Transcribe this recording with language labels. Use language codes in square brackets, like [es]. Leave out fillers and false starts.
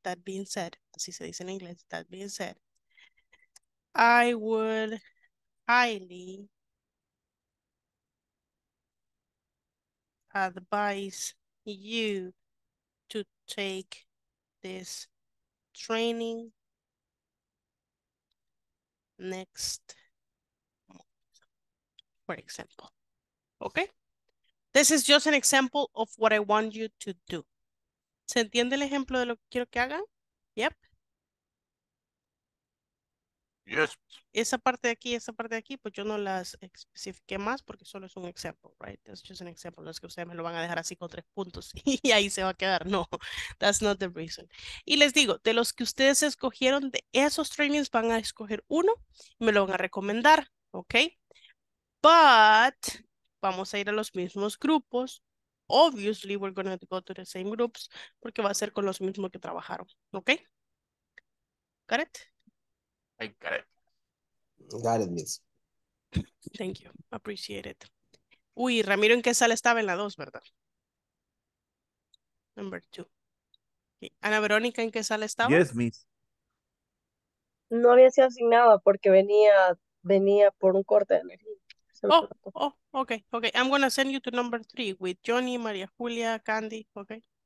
[en] That being said, [es] así se dice en inglés, [en] that being said, I would highly advise you to take this training next month, for example. Okay? This is just an example of what I want you to do. [es] ¿Se entiende el ejemplo de lo que quiero que hagan? [en] Yep. Yes. [es] Esa parte de aquí, pues yo no las especifique más porque solo es un example, [en] right? That's just an example. [es] No es que ustedes me lo van a dejar así con tres puntos y ahí se va a quedar. [en] No, that's not the reason. [es] Y les digo, de los que ustedes escogieron, de esos trainings van a escoger uno y me lo van a recomendar, ¿ok? But vamos a ir a los mismos grupos. [en] Obviously, we're going to go to the same groups [es] porque va a ser con los mismos que trabajaron, [en] ¿ok? Got it? I got it. Got it, miss. Thank you. Appreciate it. [es] Uy, Ramiro, ¿en qué sala estaba? En la 2, ¿verdad? [en] Number 2. [es] Ana Verónica, ¿en qué sala estaba? [en] Yes, miss. [es] No había sido asignada porque venía por un corte de energía. [en] Okay. I'm going to send you to number 3 with Johnny, María Julia, Candy, okay?